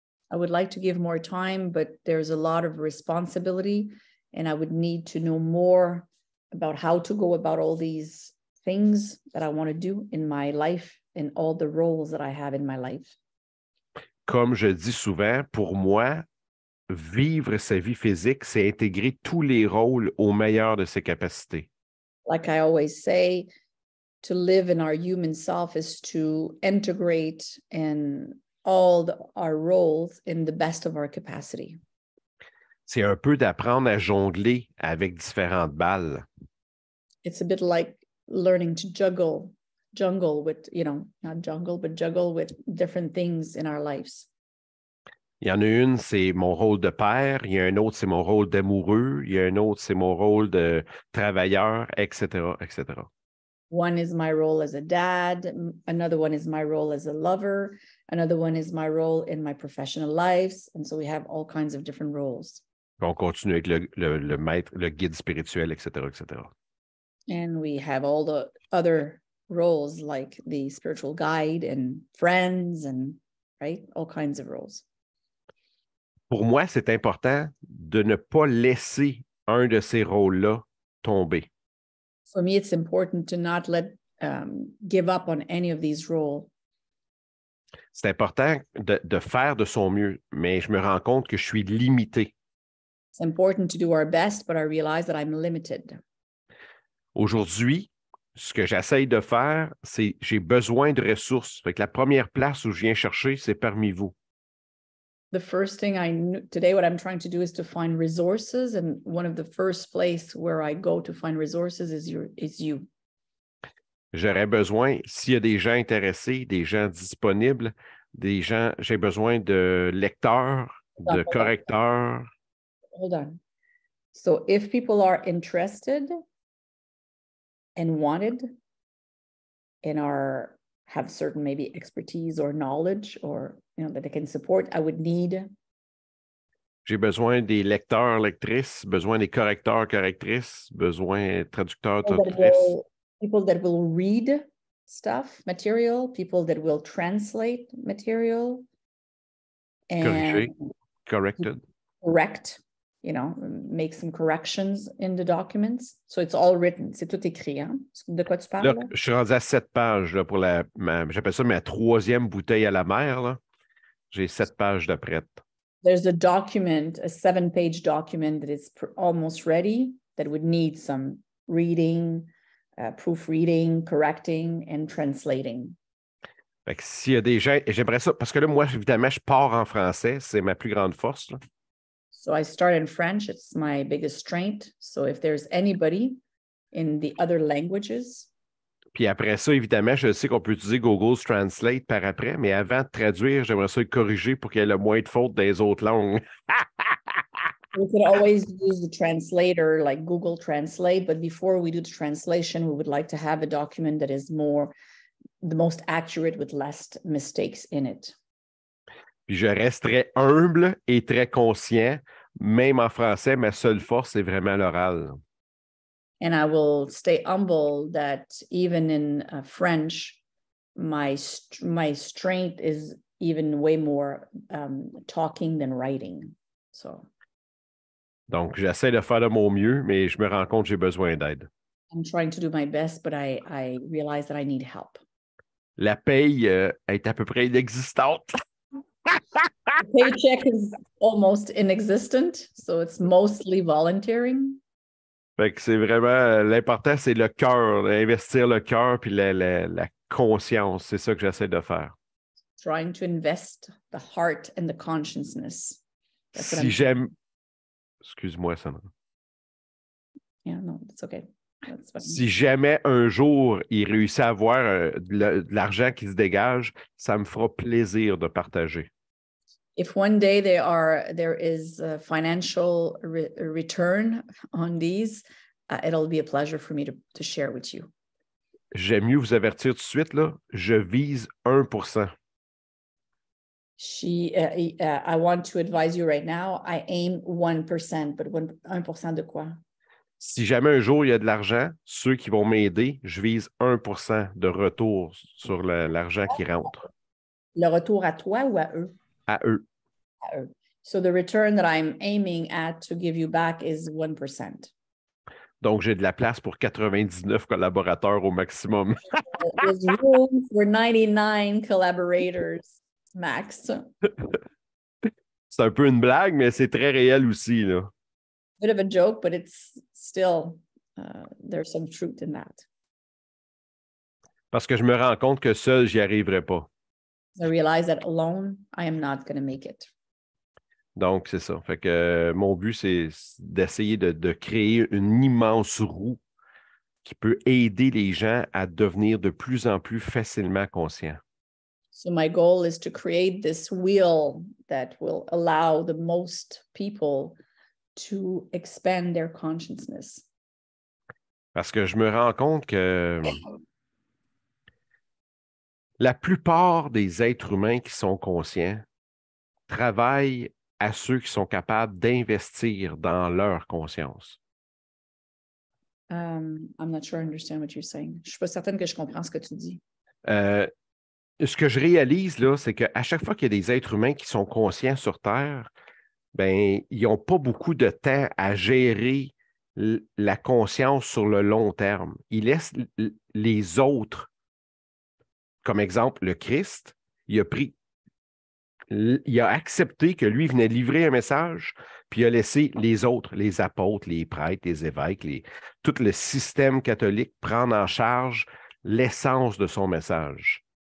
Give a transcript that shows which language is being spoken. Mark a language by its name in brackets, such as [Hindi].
[English] I would like to give more time, but there's a lot of responsibility and I would need to know more about how to go about all these things that I want to do in my life. And all the roles that I have in my life. [French] Comme je dis souvent, pour moi, vivre sa vie physique, c'est intégrer tous les rôles au meilleur de ses capacités. [English] Like I always say, to live in our human self is to integrate in all our roles in the best of our capacity. [French] C'est un peu d'apprendre à jongler avec différentes balles. [English] It's a bit like learning to juggle with different things in our lives. [French] Il y en a une, c'est mon rôle de père. Il y a un autre, c'est mon rôle d'amoureux. Il y a un autre, c'est mon rôle de travailleur, etc., etc. [English] One is my role as a dad. Another one is my role as a lover. Another one is my role in my professional lives. And so we have all kinds of different roles. [French] On continue avec le maître, le guide spirituel, etc., etc. [English] And we have all the other roles like the spiritual guide and friends and right, all kinds of roles. [French] Pour moi, c'est important de ne pas laisser un de ces rôles-là tomber. [English] For me, it's important to not let give up on any of these roles. [French] C'est important de faire de son mieux, mais je me rends compte que je suis limité. [English] It's important to do our best, but I realize that I'm limited. [French] Aujourd'hui, ce que j'essaye de faire, c'est j'ai besoin de ressources. Fait que la première place où je viens chercher, c'est parmi vous. [English] The first thing I knew today, what I'm trying to do is to find resources. And one of the first places where I go to find resources is you. [French] J'aurais besoin, s'il y a des gens intéressés, des gens disponibles, des gens, j'ai besoin de lecteurs, de correcteurs. [English] Hold on. So if people are interested and wanted and have certain maybe expertise or knowledge or you know that they can support, I would need. [French] J'ai besoin des lecteurs, lectrices, besoin des correcteurs, correctrices, besoin traducteurs, traductrices. [English] People that will read stuff, material, people that will translate material. Corrected. You know, make some corrections in the documents. So it's all written. [French] C'est tout écrit. Hein? De quoi tu parles? Là, je suis rendu à 7 pages là, pour j'appelle ça ma 3e bouteille à la mer. Là. J'ai 7 pages de prête. [English] There's a document, a 7-page document that is almost ready that would need some reading, proofreading, correcting, and translating. [French] Fait que s'il y a des gens, j'aimerais ça, parce que là, moi, évidemment, je pars en français. C'est ma plus grande force. Là. [English] So I start in French. It's my biggest strength. So if there's anybody in the other languages. [French] Puis après ça, évidemment, je sais qu'on peut utiliser Google Translate par après, mais avant de traduire, j'aimerais ça le corriger pour qu'il y ait le moins de fautes des autres langues. [English] We could always use the translator, like Google Translate, but before we do the translation, we would like to have a document that is more, the most accurate with less mistakes in it. [French] Puis je resterai humble et très conscient, même en français, ma seule force, c'est vraiment l'oral. [English] And I will stay humble that even in French, my strength is even way more talking than writing. So. [French] Donc, j'essaie de faire de mon mieux, mais je me rends compte que j'ai besoin d'aide. [English] I'm trying to do my best, but I realize that I need help. [French] La paye est à peu près inexistante. [English] The paycheck is almost inexistent, so it's mostly volunteering. [French] Fait que c'est vraiment, l'important, c'est le cœur, investir le cœur puis la conscience. C'est ça que j'essaie de faire. [English] Trying to invest the heart and the consciousness. [French] Si j'aime... Excuse-moi, Sandra. [English] Yeah, no, it's okay. [French] Si jamais un jour il réussit à avoir de l'argent qui se dégage, ça me fera plaisir de partager. [English] If one day there is a financial return on these, it'll be a pleasure for me to share with you. [French] J'aime mieux vous avertir tout de suite là, je vise 1%. [English] I want to advise you right now, I aim 1%, but 1% [French] de quoi? Si jamais un jour il y a de l'argent, ceux qui vont m'aider, je vise 1% de retour sur l'argent qui rentre. Le retour à toi ou à eux? À eux. À eux. [English] So the return that I'm aiming at to give you back is 1%. [French] Donc, j'ai de la place pour 99 collaborateurs au maximum. [English] There's room for 99 collaborators max. [French] C'est un peu une blague, mais c'est très réel aussi, là. [English] Bit of a joke, but it's still, there's some truth in that. [French] Parce que je me rends compte que seul, j'y arriverai pas. [English] I realize that alone, I am not going to make it. [French] Donc, c'est ça. Fait que mon but, c'est d'essayer de créer une immense roue qui peut aider les gens à devenir de plus en plus facilement conscients. [English] So my goal is to create this wheel that will allow the most people to expand their consciousness. [French] Parce que je me rends compte que... La plupart des êtres humains qui sont conscients travaillent à ceux qui sont capables d'investir dans leur conscience. [English] I'm not sure I understand what you're saying. [French] Je ne suis pas certaine que je comprends ce que tu dis. Ce que je réalise, là, c'est qu'à chaque fois qu'il y a des êtres humains qui sont conscients sur Terre, ben, ils n'ont pas beaucoup de temps à gérer la conscience sur le long terme. Ils laissent les autres. Comme exemple, le Christ, il a accepté que lui venait livrer un message, puis il a laissé les autres, les apôtres, les prêtres, les évêques, tout le système catholique prendre en charge l'essence de son message.